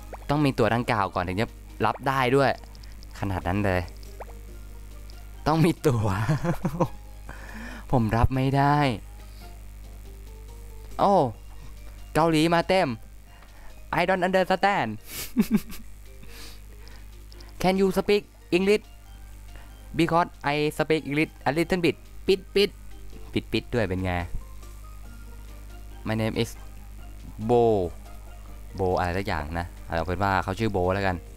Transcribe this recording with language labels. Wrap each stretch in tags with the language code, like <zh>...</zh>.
<th>ต้องมีตัวดังกล่าวก่อนถึงจะรับได้ด้วยขนาดนั้นเลยต้องมีตัว ผมรับไม่ได้โอ้เกาหลีมาเต็ม</th> <en>I don't understand Can you speak English? Because I speak English a little bit. Bit</en> <th>ด้วยเป็นไง</th> <en>My name is Bo.</en> <th>Bo อะไรสักอย่างนะเอาเป็นว่าเขาชื่อ Bo แล้วกัน</th>